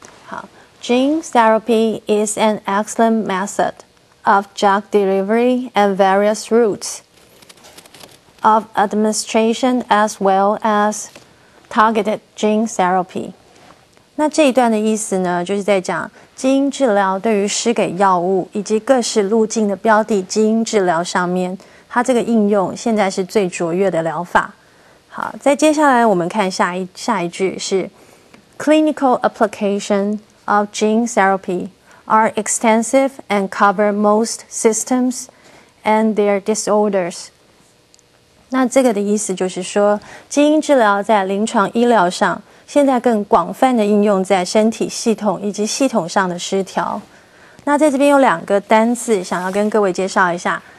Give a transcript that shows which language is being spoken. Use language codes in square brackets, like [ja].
[en] 好， Gene therapy is an excellent method of drug delivery and various routes of administration as well as targeted gene therapy。 [zh] 那这一段的意思呢，就是在讲基因治疗对于施给药物以及各式路径的标的基因治疗上面，它这个应用现在是最卓越的疗法。好，再接下来我们看下一句是 [en] Clinical application of gene therapy are extensive and cover most systems and their disorders。 [zh] 那这个的意思就是说，基因治疗在临床医疗上现在更广泛的应用在身体系统以及系统上的失调。那在这边有两个单字想要跟各位介绍一下。